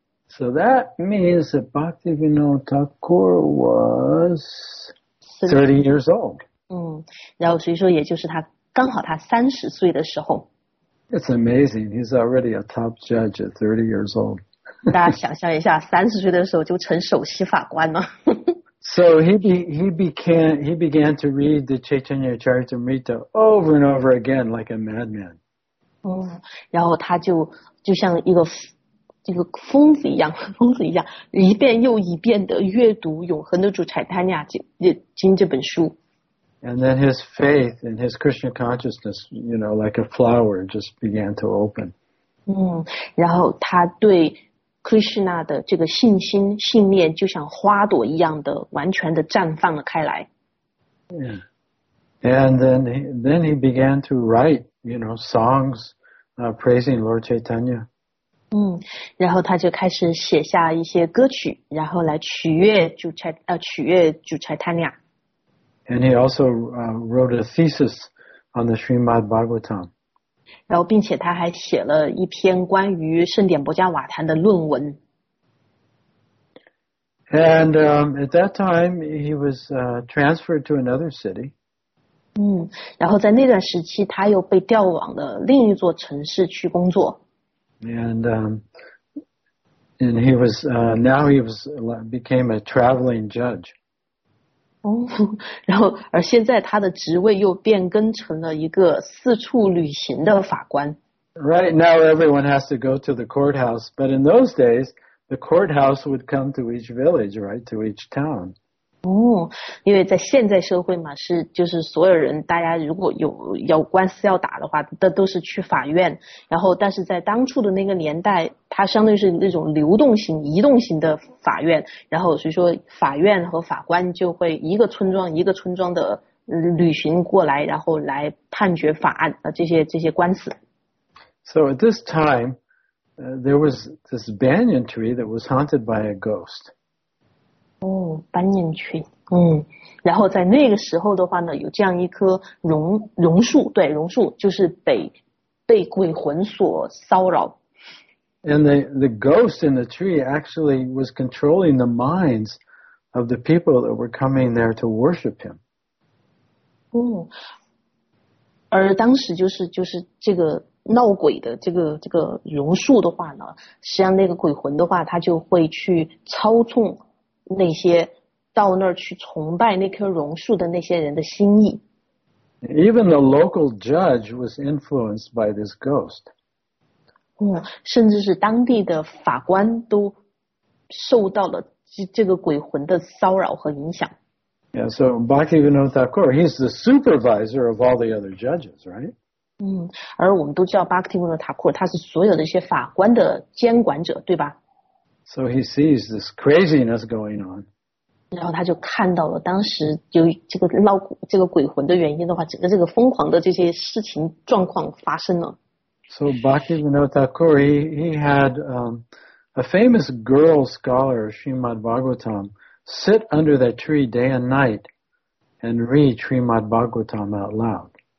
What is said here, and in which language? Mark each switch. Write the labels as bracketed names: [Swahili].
[English] So that means that Bhaktivinoda Thakur was 30 years old. [Chinese] 然后所以说也就是他刚好他30岁的时候。 [English] It's amazing. He's already a top judge at 30 years old. [Chinese] 大家想象一下30岁的时候就成首席法官了。 [English] So he began to read the Chaitanya Charitamrita over and over again like a madman. [Chinese] 然后他就像一个疯子一样，一遍又一遍的阅读《永恒的主柴坦尼亚经》这本书。 [English] And then his faith and his Krishna consciousness, you know, like a flower, just began to open. [Chinese] 然后他对Krishna 的这个信心信念就像花朵一样的完全的绽放了开来。 [English] And then he began to write, you know, songs praising Lord Chaitanya. [Chinese] 然后他就开始写下一些歌曲，然后来取悦主 Chaitanya。 [English] And he also wrote a thesis on the Srimad Bhagavatam. [Chinese] 然后，并且他还写了一篇关于圣典薄伽瓦坛的论文。 [English] And at that time, he was transferred to another city. [Chinese] 然后在那段时期，他又被调往了另一座城市去工作。 [English] And he was now he was became a traveling judge. [Chinese] 然后而现在他的职位又变更成了一个四处旅行的法官。 [English] Right now, everyone has to go to the courthouse, but in those days, the courthouse would come to each village, right, to each town. [Chinese] 因为在现在社会嘛，就是所有人，大家如果有要官司要打的话，都是去法院。然后，但是在当初的那个年代，它相当于是那种流动型、移动型的法院。然后，所以说法院和法官就会一个村庄一个村庄的旅行过来，然后来判决法案啊，这些官司。 [English] So at this time, there was this banyan tree that was haunted by a ghost. banyan tree. [Chinese] 然后在那个时候的话呢，有这样一棵榕树，对，榕树就是被鬼魂所骚扰。 [English] And the ghost in the tree actually was controlling the minds of the people that were coming there to worship him. [Chinese] 而当时就是这个闹鬼的这个榕树的话呢，实际上那个鬼魂的话，他就会去操纵那些到那儿去崇拜那棵榕树的那些人的心意。 [English] Even the local judge was influenced by this ghost. [Chinese] 甚至是当地的法官都受到了这个鬼魂的骚扰和影响。 [English] Yeah, so Bhaktivinoda Thakur, he's the supervisor of all the other judges, right? [Chinese] 而我们都叫 Bhaktivinoda Thakur, 他是所有的一些法官的监管者，对吧？ [English] So he sees this craziness going on. [Chinese] 然后他就看到了当时由这个鬼魂的原因的话，整个这个疯狂的这些事情状况发生了。 [English] So Bhaktivinoda Thakur, he had a famous girl scholar, Srimad Bhagavatam, sit under that tree day and night and read Srimad Bhagavatam out loud.